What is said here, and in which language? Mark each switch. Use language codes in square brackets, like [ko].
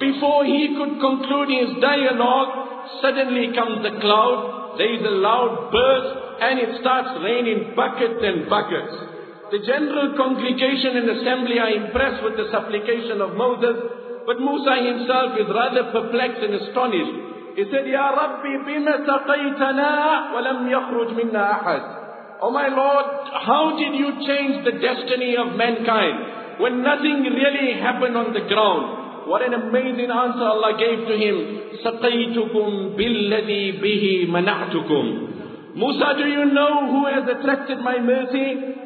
[en] Before he could conclude his dialogue, suddenly comes the cloud, there is a loud burst, and it starts raining buckets and buckets. The general congregation and assembly are impressed with the supplication of Moses, but Musa himself is rather perplexed and astonished. He said, [ar] يَا رَبِّي بِمَ سَقَيْتَنَا وَلَمْ يَخْرُجْ مِنَّا أَحَدٍ. [en] Oh my Lord, how did you change the destiny of mankind when nothing really happened on the ground? What an amazing answer Allah gave to him. [ar] سَقَيْتُكُمْ بِالَّذِي بِهِ مَنَعْتُكُمْ. [en] Musa, do you know who has attracted my mercy?